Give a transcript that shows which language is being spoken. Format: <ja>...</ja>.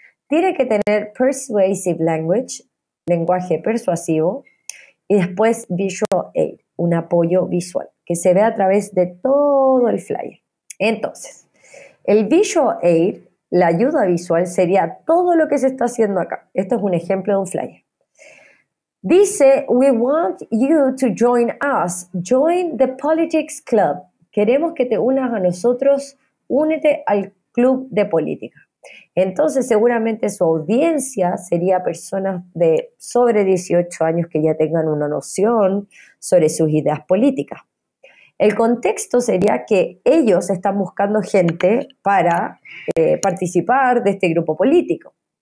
<es>Tiene que tener persuasive language, lenguaje persuasivo, y después visual aid, un apoyo visual, que se ve a través de todo el flyer. Entonces, el visual aid, la ayuda visual, sería todo lo que se está haciendo acá. Esto es un ejemplo de un flyer.</es> <en>Dice, we want you to join us, join the politics club.</en> <es>Queremos que te unas a nosotros, únete al club de política. Entonces, seguramente su audiencia sería personas de sobre 18 años que ya tengan una noción sobre sus ideas políticas. El contexto sería que ellos están buscando gente para participar de este grupo político.</es>